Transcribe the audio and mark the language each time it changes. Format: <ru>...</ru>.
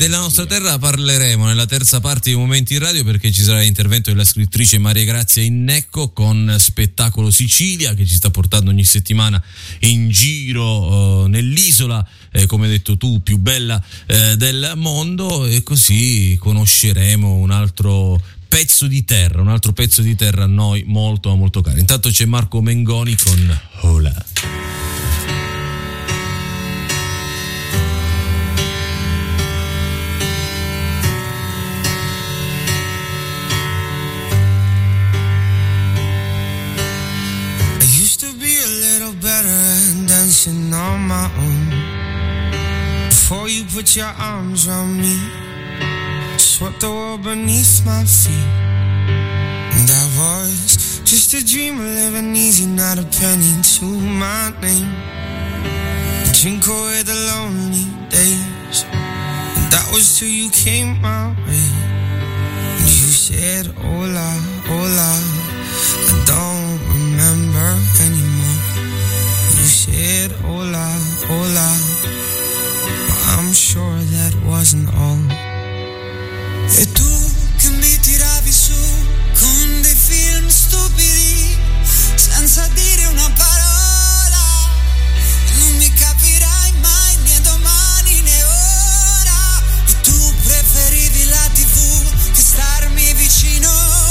<it>E della nostra terra parleremo nella terza parte di Momenti in Radio, perché ci sarà l'intervento della scrittrice Maria Grazia Innecco con Spettacolo Sicilia, che ci sta portando ogni settimana in giro nell'isola, come hai detto tu, più bella del mondo, e così conosceremo un altro pezzo di terra a noi molto molto caro. Intanto c'è Marco Mengoni con Hola.</it> <en>Dancing on my own, before you put your arms around me, swept the world beneath my feet. And I was just a dreamer living easy, not a penny to my name. Drink away the lonely days, and that was till you came my way. And you said, hola, hola, I don't remember anymore. Said hola, hola, but I'm sure that wasn't all.</en> <it>E tu che mi tiravi su con dei film stupidi senza dire una parola, non mi capirai mai, né domani né ora. E tu preferivi la TV che starmi vicino.</it>